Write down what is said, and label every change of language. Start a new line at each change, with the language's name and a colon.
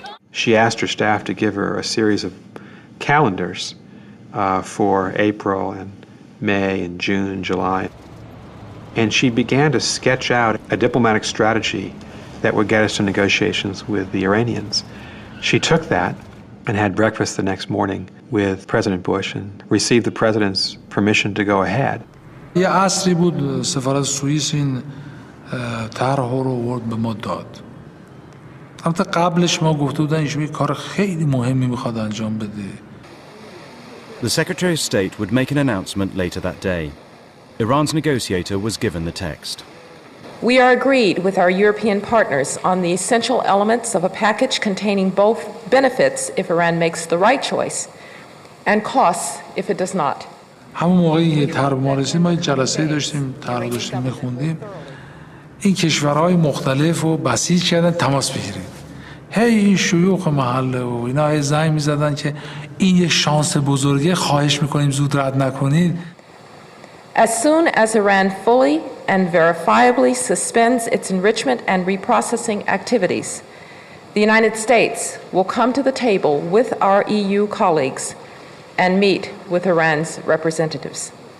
English: She asked her staff to give her a series of calendars for April and May and June, July. And she began to sketch out a diplomatic strategy that would get us to negotiations with the Iranians. She took that and had breakfast the next morning with President Bush and received the president's permission to go ahead.
Persian: یه عصری بود سفارت سوئیس این طرح رو ورد به ما داد. البته قبلش ما گفته بودن ایشون کار خیلی مهمی میخواد انجام بده.
English: The Secretary of State would make an announcement later that day. Iran's negotiator was given the text. We are agreed with our European partners on the essential elements of a package containing both benefits if Iran makes the right choice and costs if it does not.
Persian: همون موقعی یه طرح ما رسید ما یه جلسه داشتیم طرح داشتیم میخوندیم این کشورهای مختلف رو بسیج کردن تماس بگیرید هی این شیوخ محله و اینا های زنگ میزدن که این یه شانس بزرگه خواهش میکنیم زود رد نکنید
English: As soon as Iran fully and verifiably suspends its enrichment and reprocessing activities, the United States will come to the table with our EU colleagues and meet with Iran's representatives.